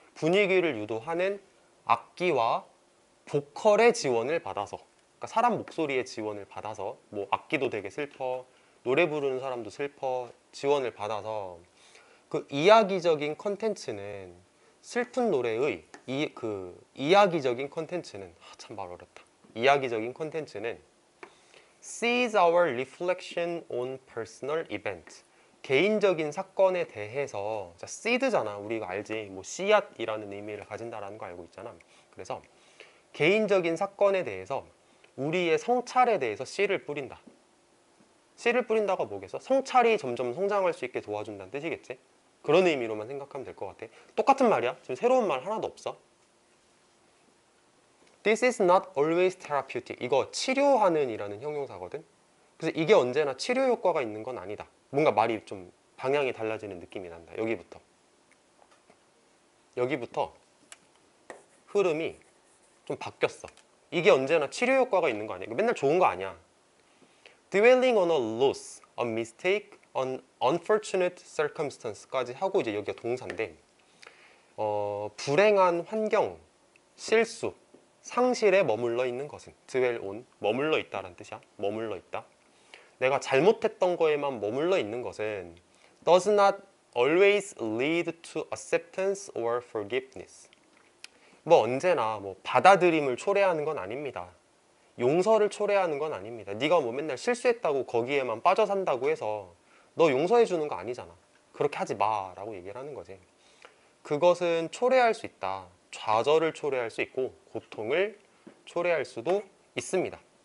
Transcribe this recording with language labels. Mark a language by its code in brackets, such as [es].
[ko] 분위기를 유도하는 악기와 보컬의 지원을 받아서. 그러니까 사람 목소리의 지원을 받아서 뭐 악기도 되게 슬퍼. 노래 부르는 사람도 슬퍼. 지원을 받아서 그 이야기적인 컨텐츠는 슬픈 노래의 이야기적인 컨텐츠는 아 참 말 어렵다. 이야기적인 컨텐츠는 [en] sees our reflection on personal event. [ko] 개인적인 사건에 대해서 자 seed잖아. 우리가 알지. 뭐 씨앗이라는 의미를 가진다라는 거 알고 있잖아. 그래서 개인적인 사건에 대해서 우리의 성찰에 대해서 씨를 뿌린다. 씨를 뿌린다가 뭐겠어? 성찰이 점점 성장할 수 있게 도와준다는 뜻이겠지? 그런 의미로만 생각하면 될 것 같아. 똑같은 말이야. 지금 새로운 말 하나도 없어. [en] This is not always therapeutic. [ko] 이거 치료하는 이라는 형용사거든. 그래서 이게 언제나 치료 효과가 있는 건 아니다. 뭔가 말이 좀 방향이 달라지는 느낌이 난다. 여기부터 흐름이 좀 바뀌었어. 이게 언제나 치료 효과가 있는 거 아니야. 이거 맨날 좋은 거 아니야. [en] Dwelling on a loss, a mistake, an unfortunate circumstance [ko] 까지 하고 이제 여기가 동사인데 불행한 환경, 실수, 상실에 머물러 있는 것은 dwell on, 머물러 있다라는 뜻이야. 머물러 있다. 내가 잘못했던 거에만 머물러 있는 것은 [en] does not always lead to acceptance or forgiveness. [ko] 뭐 언제나 뭐 받아들임을 초래하는 건 아닙니다. 용서를 초래하는 건 아닙니다. 네가 뭐 맨날 실수했다고 거기에만 빠져 산다고 해서 너 용서해 주는 거 아니잖아. 그렇게 하지 마 라고 얘기를 하는 거지. 그것은 초래할 수 있다. 좌절을 초래할 수 있고 고통을 초래할 수도 있습니다.